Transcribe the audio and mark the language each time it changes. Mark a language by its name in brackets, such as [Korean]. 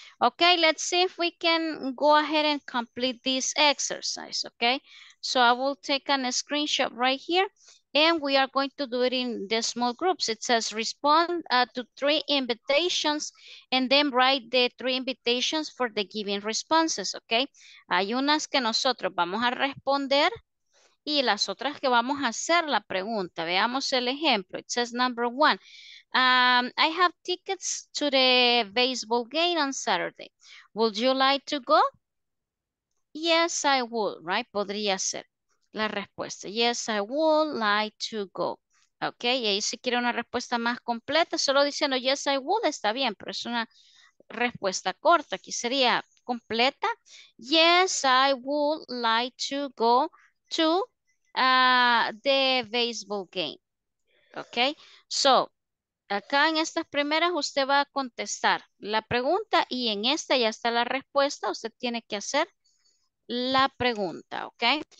[English] Okay, let's see if we can go ahead and complete this exercise, okay? So, I will take a screenshot right here, and we are going to do it in the small groups. It says, respond to three invitations, and then write the three invitations for the given responses, okay? [Spanish] Hay unas que nosotros vamos a responder, y las otras que vamos a hacer la pregunta. Veamos el ejemplo. [English] It says number one. I have tickets to the baseball game on Saturday. Would you like to go? Yes, I would, right? [Spanish] Podría ser la respuesta. [English] Yes, I would like to go. [Spanish] Ok, y ahí si quiere una respuesta más completa, solo diciendo [English] yes, I would, [Spanish] está bien, pero es una respuesta corta. Aquí sería completa. [English] Yes, I would like to go to the baseball game, okay? [Spanish] So, acá en estas primeras usted va a contestar la pregunta y en esta ya está la respuesta, usted tiene que hacer la pregunta, okay?